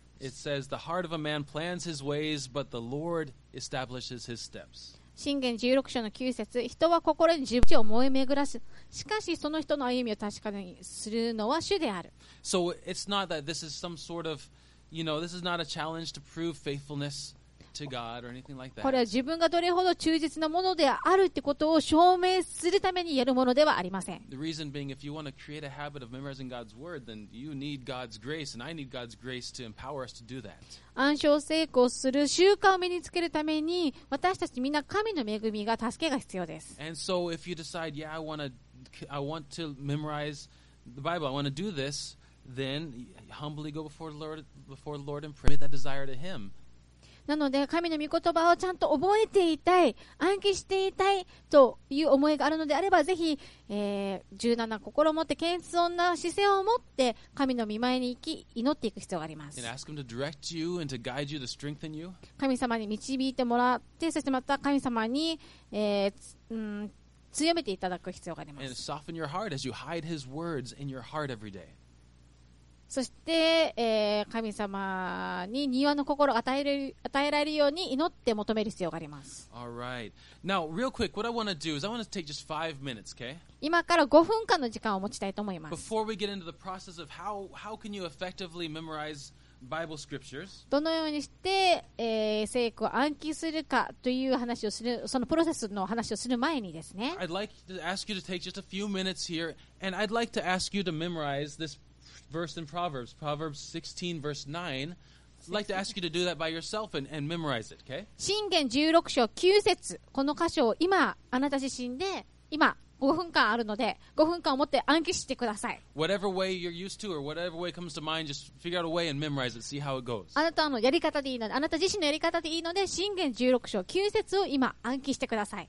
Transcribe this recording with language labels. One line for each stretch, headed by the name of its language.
English: It says, the heart of a man plans his ways, but the Lord establishes his steps.
Japanese: 箴言16章の9節、人は心に自分を思い巡らす。しかしその人の歩みを確かにするのは主である。
English: So it's not that this is some sort of, you know, this is not a challenge to prove faithfulness to God or anything like that.
Japanese: これは自分がどれほど忠実なものであるってことを証明するためにやるものではありません。
English: The reason being, if you want to create a habit of memorizing God's word, then you need God's grace, and I need God's grace to empower us to do that.
Japanese: 暗証成功する習慣を身につけるために、私たちみんな神の恵みが助けが必要です。
English: And so if you decide, yeah, I want to memorize the Bible, I want to do this, then humbly go before the Lord and pray that desire to Him.
Japanese: なので神の御言葉をちゃんと覚えていたい、暗記していたいという思いがあるのであれば、ぜひ、柔軟な心を持って謙遜な姿勢を持って神の御前に行き祈っていく必要があります。
English: And ask him to direct you and to guide you to strengthen you.
Japanese: 神様に導いてもらって、そしてまた神様に、強めていただく必要があります。
English: And soften your heart as you hide his words in your heart every day.
Japanese: そして、神様に庭の心を与えられるように祈って求める必要があります。
English: Alright. Now, real quick, what I want to do is I want to take just 5 minutes, okay?
Japanese: 今から5分間の時間を持ちたいと思います。
English: Before we get into the process of how can you effectively memorize Bible scriptures.
Japanese: どのようにして、聖句を暗記するかという話をする、そのプロセスの話をする前にですね。
English: I'd like to ask you to take just a few minutes here, and I'd like to ask you to memorize this verse in Proverbs, Proverbs 16, verse 9. I'd like to ask you to do that by yourself and memorize it, okay?
Japanese: 箴言16章9節、この箇所を今あなた自身で今5分間あるので5分間を持って暗記してください。
English: Whatever way you're used to or whatever way comes to mind, just figure out a way and memorize it, see how it goes.
Japanese: あなたのやり方でいいので、あなた自身のやり方でいいので、箴言16章9節を今暗記してください。